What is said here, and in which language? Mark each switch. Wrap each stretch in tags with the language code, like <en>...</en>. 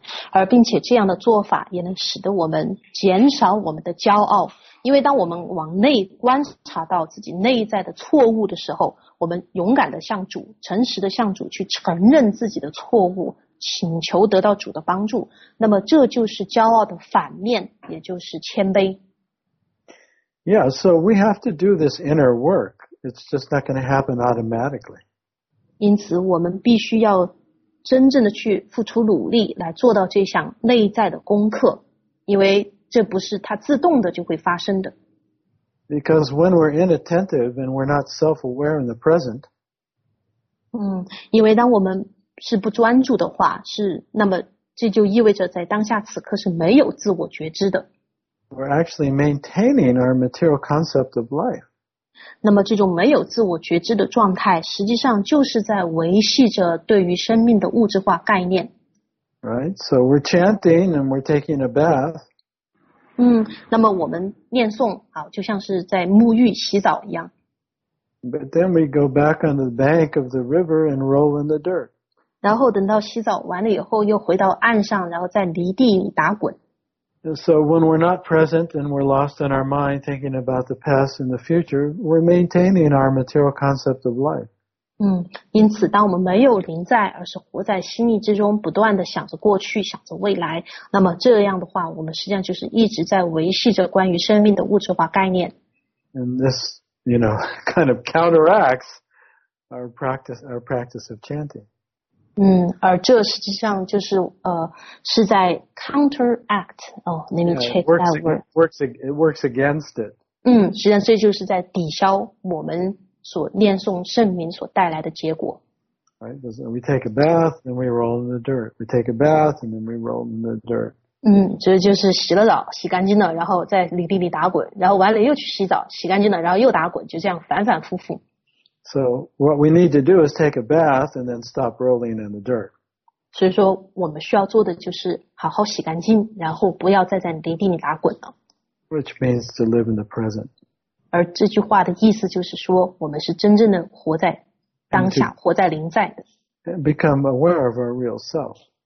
<zh>而并且这样的做法也能使得我们减少我们的骄傲，因为当我们往内观察到自己内在的错误的时候，我们勇敢的向主，诚实的向主去承认自己的错误，请求得到主的帮助，那么这就是骄傲的反面，也就是谦卑。</zh> <en>Yeah, so we have to do this inner work. It's just not going to happen automatically.</en> <zh>因此我们必须要真正的去付出努力来做到这项内在的功课，因为这不是它自动的就会发生的。</zh> <en>Because when we're inattentive and we're not self-aware in the present,</en> <zh>因为当我们是不专注的话，是那么这就意味着在当下此刻是没有自我觉知的。</zh> <en>We're actually maintaining our material concept of life.</en> <zh>那么这种没有自我觉知的状态，实际上就是在维系着对于生命的物质化概念。</zh> <en>Right, so we're chanting and we're taking a bath.</en> <zh>那么我们念诵，就像是在沐浴洗澡一样。</zh> <en>But then we go back on the bank of the river and roll in the dirt.</en> <zh>然后等到洗澡完了以后，又回到岸上，然后在泥地里打滚。</zh> <en>So when we're not present and we're lost in our mind thinking about the past and the future, we're maintaining our material concept of life.</en> <zh>因此当我们没有临在，而是活在心意之中，不断地想着过去，想着未来，那么这样的话，我们实际上就是一直在维系着关于生命的物质化概念。</zh> <en>And this, you know, kind of counteracts our practice of chanting.</en> <zh>而这实际上就是是在</zh> <en>counteract, let me check that word. It works against it.</en> <zh>实际上这就是在抵消我们所念诵圣名所带来的结果。</zh> <en>Right, so we take a bath and we roll in the dirt. We take a bath and then we roll in the dirt.</en> <zh>这就是洗了澡洗干净了，然后在泥地里打滚，然后完了又去洗澡洗干净了，然后又打滚，就这样反反复复。</zh> <en>So what we need to do is take a bath and then stop rolling in the dirt.</en> <zh>所以说我们需要做的就是好好洗干净，然后不要再在泥地里打滚了。</zh> <en>Which means to live in the present.</en> <zh>而这句话的意思就是说我们是真正的活在当下，活在临在的。</zh> <en>And become aware of our real self.</en>